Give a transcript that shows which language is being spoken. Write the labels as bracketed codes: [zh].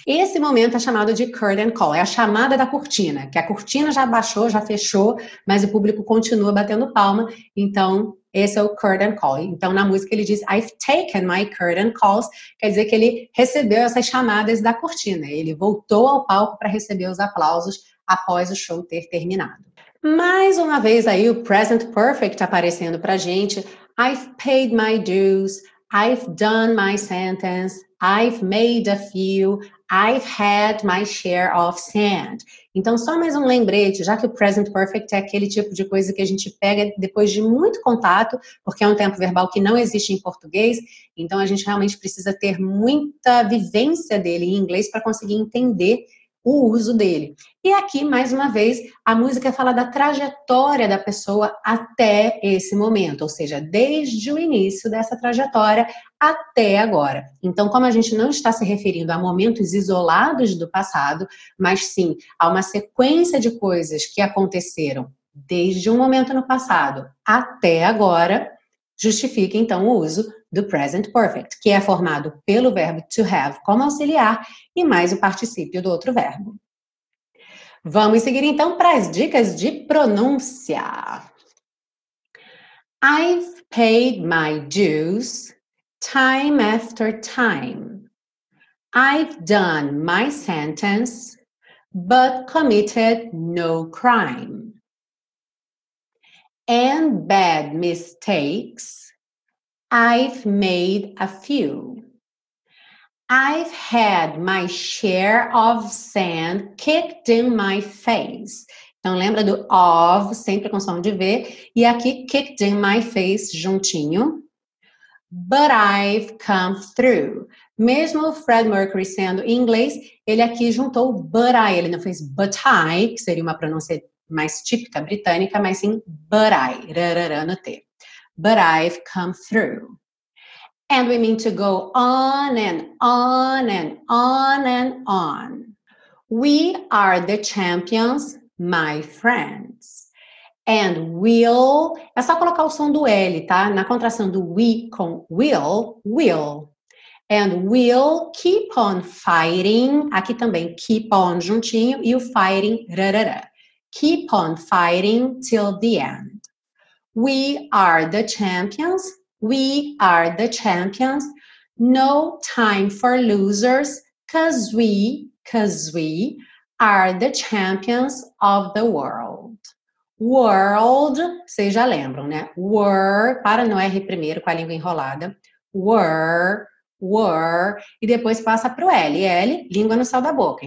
[pt] Esse momento é chamado de curtain call, é a chamada da cortina, que a cortina já baixou, já fechou, mas o público continua batendo palma, então esse é o curtain call. Então, na música ele diz, [en] I've taken my curtain calls, [pt] quer dizer que ele recebeu essas chamadas da cortina, ele voltou ao palco para receber os aplausos após o show ter terminado. Mais uma vez aí o present perfect aparecendo para a gente, [en] I've paid my dues, I've done my sentence, I've made a few, I've had my share of sand. [pt] Então, só mais um lembrete, já que o present perfect é aquele tipo de coisa que a gente pega depois de muito contato, porque é um tempo verbal que não existe em português, então a gente realmente precisa ter muita vivência dele em inglês para conseguir entender o uso dele. E aqui, mais uma vez, a música fala da trajetória da pessoa até esse momento, ou seja, desde o início dessa trajetória até agora. Então, como a gente não está se referindo a momentos isolados do passado, mas sim a uma sequência de coisas que aconteceram desde um momento no passado até agora, justifica, então, o uso do present perfect, que é formado pelo verbo to have como auxiliar e mais o particípio do outro verbo. Vamos seguir, então, para as dicas de pronúncia. [en] I've paid my dues time after time. I've done my sentence, but committed no crime. And bad mistakes, I've made a few. I've had my share of sand kicked in my face. [pt] Então lembra do of, sempre com som de V, e aqui [en] kicked in my face [pt] juntinho. [en] But I've come through. [pt] Mesmo o Fred Mercury sendo em inglês, ele aqui juntou but I, ele não fez but I, que seria uma pronúncia mais típica britânica, mas sim but I, rarara no T. [en] But I've come through. And we mean to go on and on and on and on. We are the champions, my friends. And we'll... [pt] É só colocar o som do L, tá? Na contração do we com will, will. [en] And we'll keep on fighting. [pt] Aqui também, keep on juntinho. E o fighting, rarara. [en] Keep on fighting till the end. We are the champions, we are the champions. No time for losers, cause we are the champions of the world. [pt] World, vocês já lembram, né? Were, para no R primeiro com a língua enrolada. Were, e depois passa para o L, L, língua no céu da boca.